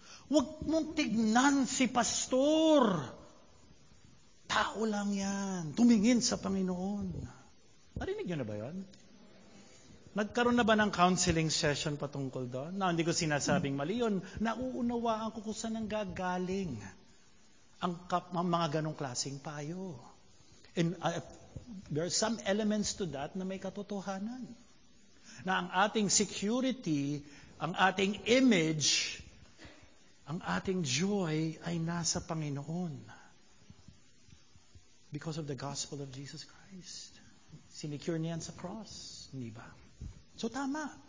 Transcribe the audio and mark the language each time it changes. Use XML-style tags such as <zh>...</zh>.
<tl>Huwag mong tignan si pastor. Tao lang yan. Tumingin sa Panginoon. Narinig nyo na ba yun? Nagkaroon na ba ng counseling session patungkol doon? Now, hindi ko sinasabing mali yun. Nauunawaan ko kung saan ang gagaling ang mga ganong klaseng payo.</tl> <en>And there are some elements to that na may katotohanan.</en> <tl>Na ang ating security, ang ating image, ang ating joy ay nasa Panginoon.</tl> <en>Because of the gospel of Jesus Christ. Sinecure niyan sa cross, hindi ba? So tama.</en>